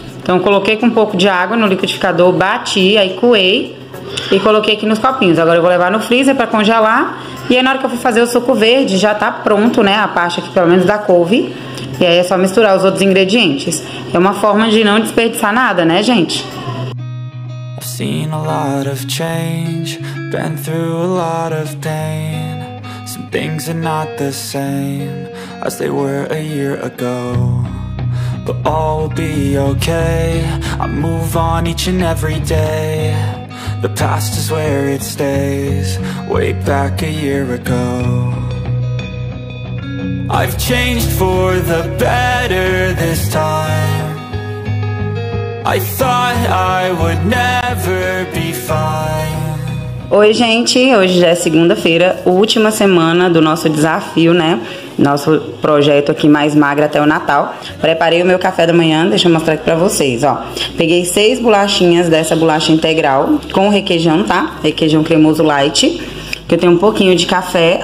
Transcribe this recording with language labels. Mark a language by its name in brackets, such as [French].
[Portuguese] Então coloquei com um pouco de água no liquidificador, bati, aí coei e coloquei aqui nos copinhos. Agora eu vou levar no freezer pra congelar e aí na hora que eu for fazer o suco verde já tá pronto, né, a parte aqui pelo menos da couve. E aí é só misturar os outros ingredientes. É uma forma de não desperdiçar nada, né, gente? [English] I've seen a lot of change, been through a lot of pain. Some things are not the same as they were a year ago. But all will be okay, I move on each and every day. The past is where it stays, way back a year ago. I've changed for the better this time. I thought I would never be fine. [Portuguese] Oi gente, hoje já é segunda-feira, última semana do nosso desafio, né? Nosso projeto aqui mais magra até o Natal. Preparei o meu café da manhã, deixa eu mostrar aqui pra vocês, ó. Peguei 6 bolachinhas dessa bolacha integral com requeijão, tá? Requeijão cremoso light, que eu tenho um pouquinho de café.